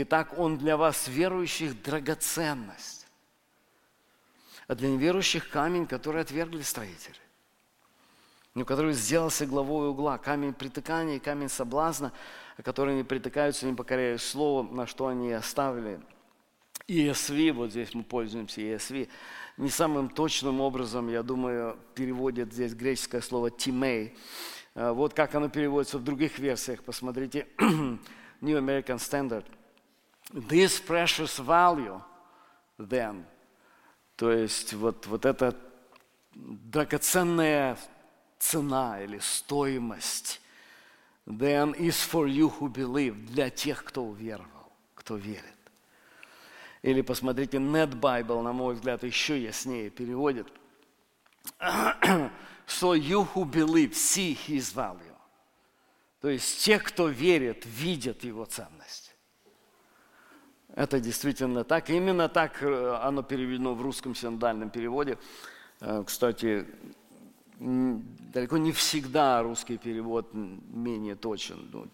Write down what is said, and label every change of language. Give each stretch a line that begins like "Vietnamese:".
Russian: «Итак, Он для вас, верующих, драгоценность, а для неверующих камень, который отвергли строители, но который сделался главой угла, камень притыкания и камень соблазна, которые не притыкаются, не покоряют слово, на что они оставили». ESV, вот здесь мы пользуемся ESV, не самым точным образом, я думаю, переводят здесь греческое слово «тимей». Вот как оно переводится в других версиях. Посмотрите, New American Standard.
English: «This precious value then».
Russian: То есть вот эта драгоценная цена или стоимость
English: than is for you who believe,
Russian: для тех, кто уверовал, кто верит. Или посмотрите, Net Bible, на мой взгляд, еще яснее переводит.
English: So you who believe see his value.
Russian: То есть те, кто верит, видят его ценность. Это действительно так. Именно так оно переведено в русском синодальном переводе. Кстати, далеко не всегда русский перевод менее точен.